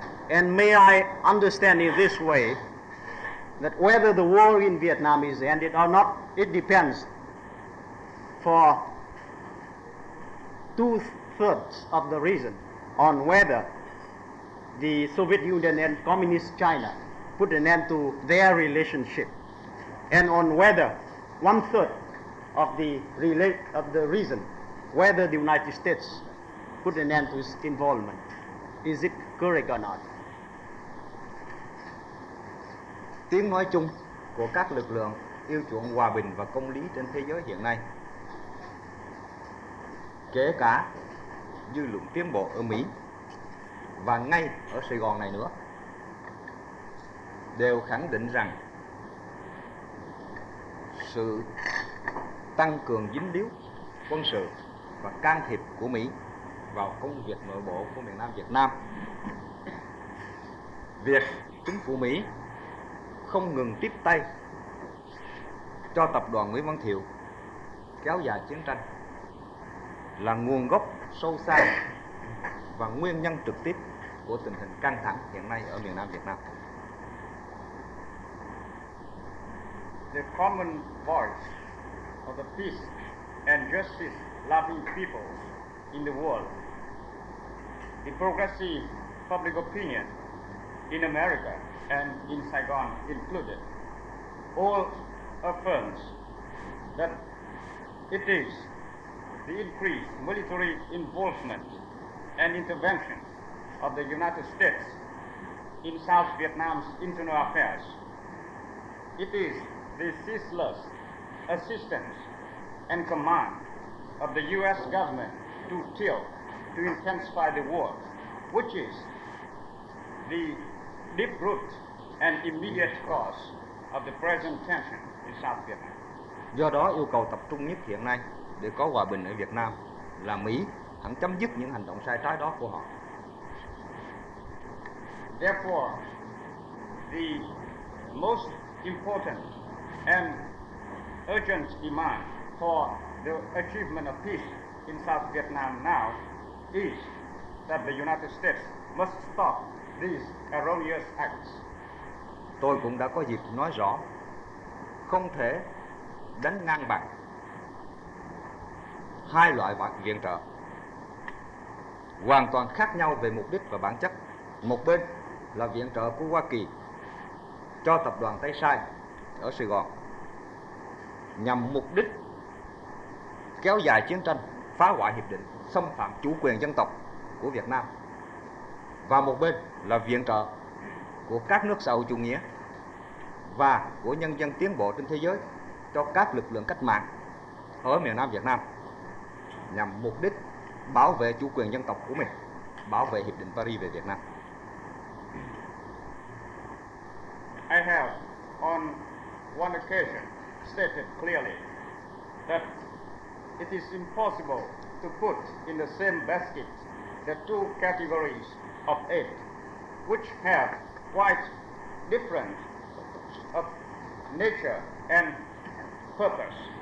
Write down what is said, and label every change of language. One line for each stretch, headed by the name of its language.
English: And may I understand in this way that whether the war in Vietnam is ended or not, it depends for 2/3 of the reason on whether the Soviet Union and Communist China put an end to their relationship, and on whether 1/3 of the reason whether the United States put an end to its involvement. Is it correct or not?
Vietnamese: Tiếng nói chung của các lực lượng yêu chuộng hòa bình và công lý trên thế giới hiện nay, kể cả dư luận tiến bộ ở Mỹ và ngay ở Sài Gòn này nữa, đều khẳng định rằng sự tăng cường dính líu quân sự và can thiệp của Mỹ vào công việc nội bộ của miền Nam Việt Nam, việc chính phủ Mỹ không ngừng tiếp tay cho tập đoàn Nguyễn Văn Thiệu kéo dài chiến tranh là nguồn gốc sâu xa và nguyên nhân trực tiếp của tình hình căng thẳng hiện nay ở miền Nam Việt Nam.
English: The common voice of the peace and justice loving peoples in the world, the progressive public opinion in America and in Saigon included, all affirms that it is the increased military involvement and intervention of the United States in South Vietnam's internal affairs. It is the ceaseless assistance and command of the U.S. government to tilt, to intensify the war, which is the deep root and immediate cause of the present tension in South Vietnam.
Vietnamese: Do đó, yêu cầu tập trung nhất hiện nay để có hòa bình ở Việt Nam là Mỹ hẳn chấm dứt những hành động sai trái đó của họ.
English: Therefore, the most important and urgent demand for the achievement of peace in South Vietnam now is that the United States must stop these erroneous acts.
Vietnamese: Tôi cũng đã có dịp nói rõ, không thể đánh ngang bằng hai loại viện trợ hoàn toàn khác nhau về mục đích và bản chất. Một bên là viện trợ của Hoa Kỳ cho tập đoàn Tây Sai ở Sài Gòn nhằm mục đích kéo dài chiến tranh, phá hoại hiệp định, xâm phạm chủ quyền dân tộc của Việt Nam. Và một bên là viện trợ của các nước xã hội chủ nghĩa và của nhân dân tiến bộ trên thế giới cho các lực lượng cách mạng ở miền Nam Việt Nam nhằm mục đích bảo vệ chủ quyền dân tộc của mình, bảo vệ Hiệp định Paris về Việt Nam.
English: I have on one occasion stated clearly that it is impossible to put in the same basket the two categories of aid which have quite different of nature and purpose.